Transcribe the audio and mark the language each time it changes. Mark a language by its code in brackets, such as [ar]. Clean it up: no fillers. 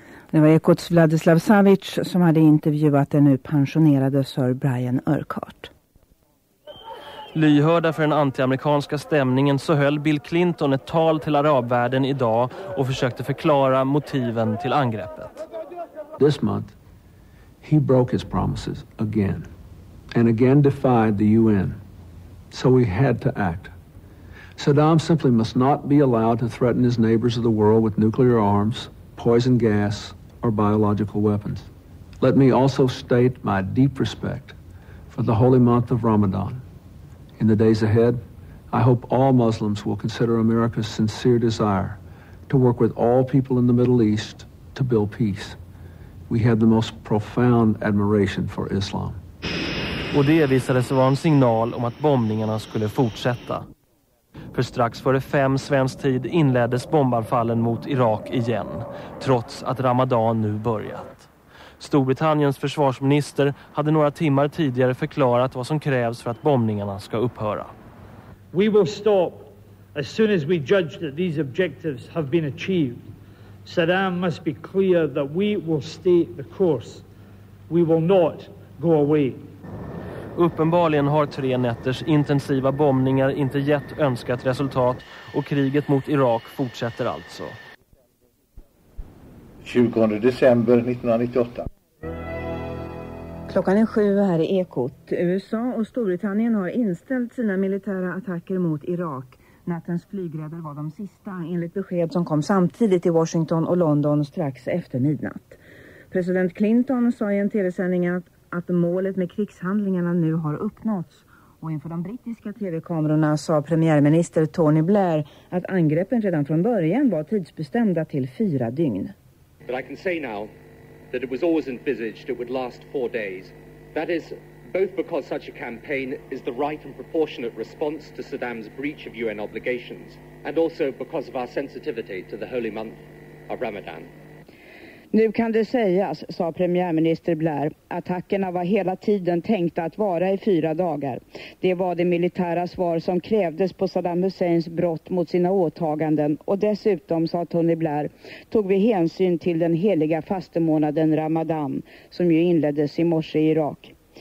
[sv] Det var Ekots Vladislav Savic som hade intervjuat den nu pensionerade Sir Brian Urquhart. Lyhörda för den antiamerikanska stämningen så höll Bill Clinton ett tal till arabvärlden idag och försökte förklara motiven till angreppet. [en] This month he broke his promises again and again defied the UN. So we had to act. Saddam simply must not be allowed to threaten his neighbors of the world with nuclear arms, poison gas or biological weapons. Let me also state my deep respect for the holy month of Ramadan. In the days ahead, I hope all Muslims will consider America's sincere desire to work with all people in the Middle East to build peace. We have the most profound admiration for Islam. [sv] Och det visade sig vara en signal om att bombningarna skulle fortsätta. För strax före 5 svensk tid inleddes bombanfallen mot Irak igen, trots att Ramadan nu börjat. Storbritanniens försvarsminister hade några timmar tidigare förklarat vad som krävs för att bombningarna ska upphöra. We will stop as soon as we judge that these objectives have been achieved. Saddam must be clear that we will stay the course. We will not go away. Uppenbarligen har 3 nätters intensiva bombningar inte gett önskat resultat och kriget mot Irak fortsätter alltså. 20 december 1998. Klockan är 7 här i Ekot. USA och Storbritannien har inställt sina militära attacker mot Irak. Nattens flygräder var de sista enligt besked som kom samtidigt i Washington och London strax efter midnatt. President Clinton sa i en tv-sändning att målet med krigshandlingarna nu har uppnåtts. Och inför de brittiska tv-kamerorna sa premiärminister Tony Blair att angreppen redan från början var tidsbestämda till 4 dygn. [en] But I can say now that it was always envisaged it would last 4 days. That is both because such a campaign is the right and proportionate response to Saddam's breach of UN obligations and also because of our sensitivity to the holy month of Ramadan. [sv] Nu kan det sägas, sa premiärminister Blair, attackerna var hela tiden tänkta att vara i 4 dagar. Det var det militära svar som krävdes på Saddam Husseins brott mot sina åtaganden. Och dessutom, sa Tony Blair, tog vi hänsyn till den heliga fastemånaden Ramadan som ju inleddes i morse i Irak.